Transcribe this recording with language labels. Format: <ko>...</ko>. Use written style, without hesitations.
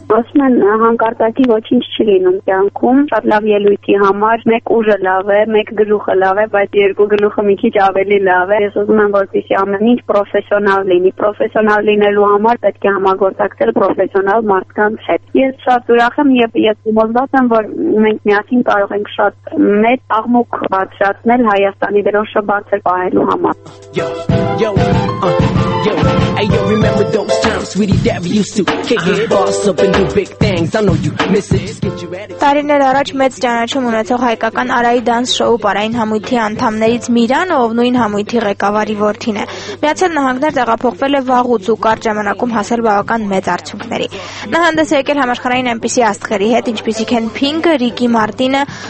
<hy>Ասում են, հանկարծակի ոչինչ չի լինում կյանքում, շատ լավ ելույթի համար մեկ ուժը լավ է, մեկ գլուխը լավ է, բայց երկու գլուխը մի քիչ ավելի լավ է։ Ես ուզում եմ, որպեսզի ամեն ինչ պրոֆեսիոնալ լինի, պրոֆեսիոնալ լինելու համար պետք է համագործակցել պրոֆեսիոնալ մարդկանց հետ։ Ես շատ ուրախ եմ և ես համոզված եմ, որ մենք միասին կարող ենք շատ մեծ աղմուկ բարձրացնել Հայաստանի դրոշը բարձր պահելու համար։</hy> <en>Ayo, remember those times, sweetie, that we used to kick it, boss up and do big things. I know you miss it. Just get you ready.</en> <hy>Տարիներ առաջ մեծ ճանաչում ունեցող հայկական Արայի դանս շոու պարային համույթի անդամներից Միրան, ով նույն համույթի ղեկավարի որդին է։ Միացյալ Նահանգներ տեղափոխվել է վաղուց ու կարճ ժամանակում հասել բավական մեծ արդյունքների։ Նա հանդես եկել համաշխարհային այնպիսի աստղերի հետ, ինչպիսիք են Pink-ը, Ricky Martin-ը,</hy>